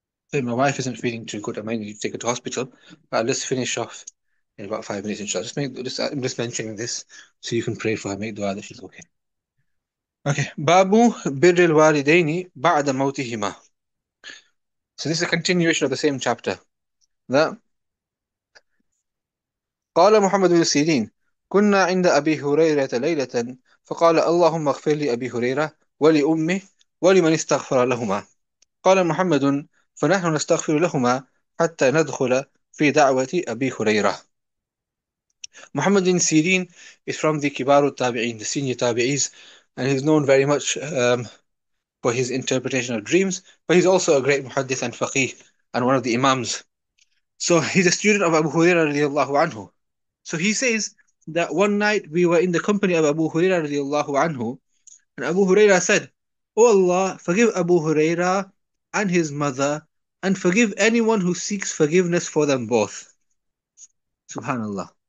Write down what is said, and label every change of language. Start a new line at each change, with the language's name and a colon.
English: So my wife isn't feeling too good. I might need to take her to hospital. But let's finish off in about 5 minutes, inshallah. I'm just mentioning this so you can pray for her. Make dua that she's okay. Okay.
Arabic: Babu birr al-walidaini ba'da mawtihima.
English: So this is a continuation of the same chapter. That.
Arabic: قال محمد بن سيرين كنا عند أبي هريرة ليلة فقال اللهم اغفر لي أبي هريرة ولأمي ولمن استغفر لهما. قال محمد فنحن نستغفر لهما حتى ندخل في دعوة أبي هريرة.
English: محمد بن سيرين is from the
Arabic: كبار التابعين,
English: the senior tabi'is, and he's known very much for his interpretation of dreams, but he's also a great muhaddith and faqih and one of the imams. So he's a student of Abu Huraira radiallahu anhu. So he says that one night we were in the company of Abu Huraira radiallahu anhu, and Abu Huraira said, O Allah, forgive Abu Huraira and his mother, and forgive anyone who seeks forgiveness for them both. Subhanallah.